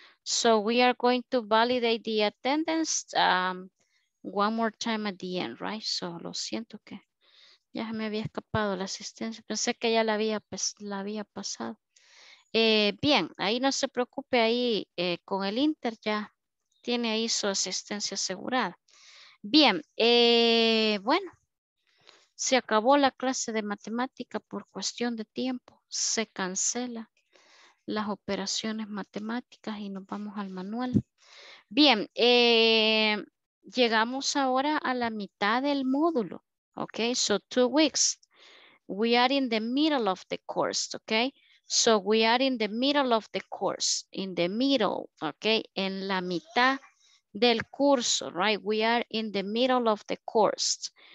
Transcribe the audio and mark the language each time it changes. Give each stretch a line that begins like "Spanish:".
English: So we are going to validate the attendance one more time at the end, right?
Spanish: So lo siento que ya me había escapado la asistencia. Pensé que ya la había pasado. Bien, ahí no se preocupe. Ahí con el Inter ya tiene ahí su asistencia asegurada. Bien, bueno. Se acabó la clase de matemática por cuestión de tiempo. Se cancela las operaciones matemáticas y nos vamos al manual. Bien, llegamos ahora a la mitad del módulo.
English: Okay, so 2 weeks. We are in the middle of the course, okay? So we are in the middle of the course, in the middle, okay?
Spanish: En la mitad del curso,
English: right? We are in the middle of the course.